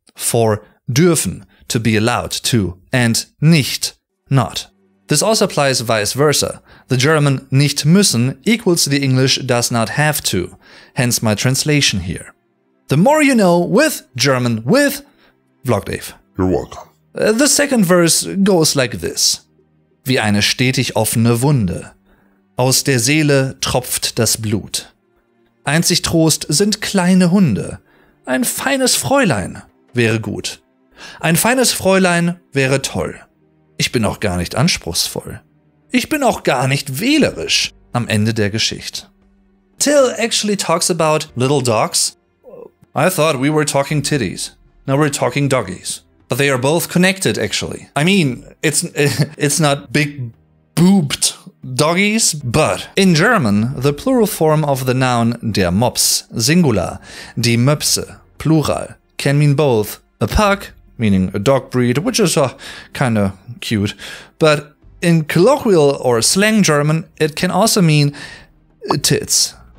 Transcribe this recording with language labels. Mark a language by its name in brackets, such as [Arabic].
[English] For dürfen, to be allowed to, and nicht, not. This also applies vice versa. The German nicht müssen equals the English does not have to, hence my translation here. The more you know with German with Vlogdave. You're welcome. The second verse goes like this. [German] Wie eine stetig offene Wunde. Aus der Seele tropft das Blut. Einzig Trost sind kleine Hunde. Ein feines Fräulein. Wäre gut. Ein feines Fräulein wäre toll. Ich bin auch gar nicht anspruchsvoll. Ich bin auch gar nicht wählerisch. Am Ende der Geschichte. [English] Till actually talks about little dogs. I thought we were talking titties. Now we're talking doggies. But they are both connected, actually. I mean, it's not big boobed doggies, but in German, the plural form of the noun der Mops, singular, die Möpse, plural, can mean both a pug, meaning a dog breed, which is kind of cute, but in colloquial or slang German, it can also mean tits.